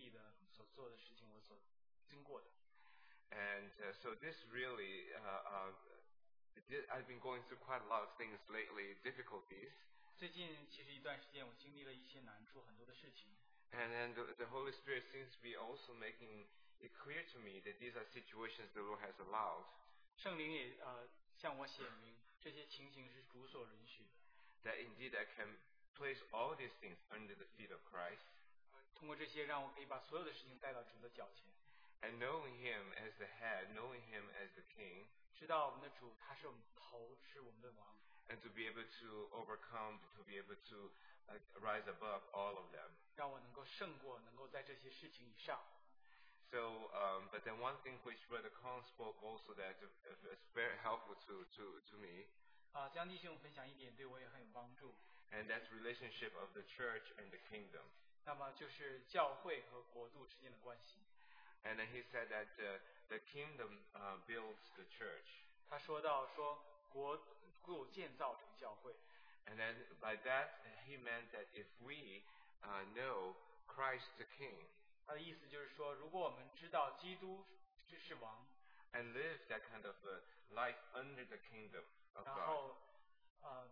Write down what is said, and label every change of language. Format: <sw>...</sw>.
<zh>而是在我的生活当中，在我每天所经历的、所做的事情，我所经过的。</zh> <en>And so this really, I've been going through quite a lot of things lately, difficulties.</en> <zh>最近其实一段时间，我经历了一些难处，很多的事情。</zh> <en>And then the Holy Spirit seems to be also making it clear to me that these are situations the Lord has allowed.</en> <zh>圣灵也, 向我显明这些情形是主所允许的。</zh> <en>That indeed I can place all these things under the feet of Christ.</en> <zh>通过这些让我可以把所有的事情带到主的脚前。</zh> <en>And knowing him as the head, knowing him as the king,</en> <zh>知道我们的主他是我们的头，是我们的王,</zh> <en>and to be able to overcome, to be able to rise above all of them.</en> <zh>让我能够胜过，能够在这些事情以上。</zh> <en>So, but then one thing which Brother Kong spoke also that is very helpful to me.</en> <zh>将弟兄分享一点对我也很有帮助。</zh> <en>And that's relationship of the church and the kingdom.</en> <zh>那么就是教会和国度之间的关系。</zh> <en>And then he said that the kingdom builds the church.</en> <zh>他说到说国度建造成教会。</zh> <en>And then by that he meant that if we know Christ the King.</en> <zh>他的意思就是说，如果我们知道基督是王，</zh> <en>and live that kind of a life under the kingdom of God.</en>